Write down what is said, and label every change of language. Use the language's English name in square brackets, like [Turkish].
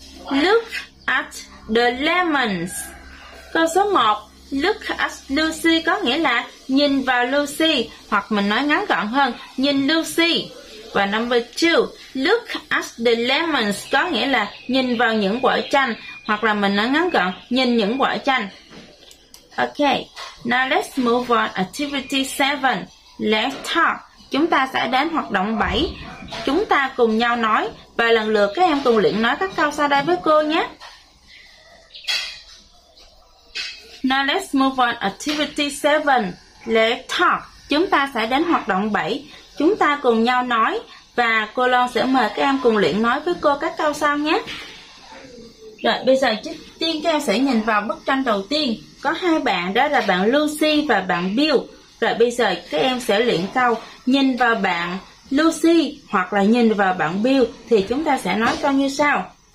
[English] Look at the lemons. [Vietnamese] Câu số 1. [English] Look at Lucy [Vietnamese] có nghĩa là nhìn vào Lucy, hoặc mình nói ngắn gọn hơn, nhìn Lucy. Và [English] number 2. Look at the lemons [Vietnamese] có nghĩa là nhìn vào những quả chanh, hoặc là mình nói ngắn gọn, nhìn những quả chanh. [English] Ok, now let's move on activity 7. Let's talk. [Vietnamese] Chúng ta sẽ đến hoạt động 7. Chúng ta cùng nhau nói. Và lần lượt các em cùng luyện nói các câu sau đây với cô nhé. [English] Now let's move on activity 7. Let's talk. [Vietnamese] Chúng ta sẽ đến hoạt động 7. Chúng ta cùng nhau nói. Và cô Loan sẽ mời các em cùng luyện nói với cô các câu sau nhé. Rồi bây giờ trước tiên các em sẽ nhìn vào bức tranh đầu tiên. Có hai bạn, đó là bạn Lucy và bạn Bill. Rồi bây giờ các em sẽ luyện câu nhìn vào bạn Lucy hoặc là nhìn vào bạn Bill, thì chúng ta sẽ nói câu như sau.